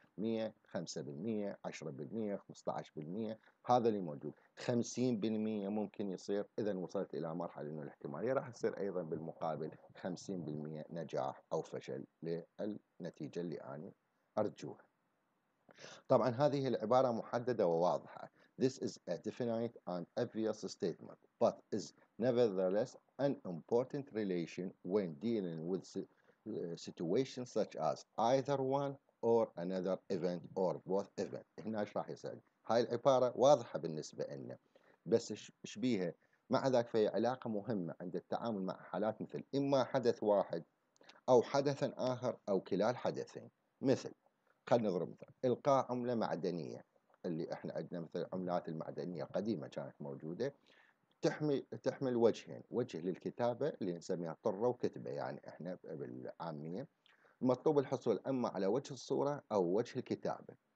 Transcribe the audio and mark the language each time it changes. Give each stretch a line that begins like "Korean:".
Arabic: 100%، 5%، 10%، 15%، هذا اللي موجود. 50% ممكن يصير إذا وصلت إلى مرحلة أنه الاحتمالية راح يصير أيضا بالمقابل 50% نجاح أو فشل للنتيجة اللي أنا أرجوها. طبعا هذه العبارة محددة وواضحة.
English: This is a definite and obvious statement, but is nevertheless an important relation when dealing with situations such as either one or another event or both event.
Arabic: هنا ايش راح يسأل؟ هاي العبارة واضحة بالنسبة لنا، بس شبيهة مع ذلك في علاقة مهمة عند التعامل مع حالات مثل إما حدث واحد أو حدث آخر أو كلا الحدثين. مثل خلنا نضرب مثال إلقاء عملة معدنية اللي احنا عندنا مثل العملات المعدنية قديمة كانت موجودة تحمل وجهين، وجه للكتابة اللي نسميها طرة وكتبة يعني احنا بالعامية، مطلوب الحصول اما على وجه الصورة او وجه الكتابة.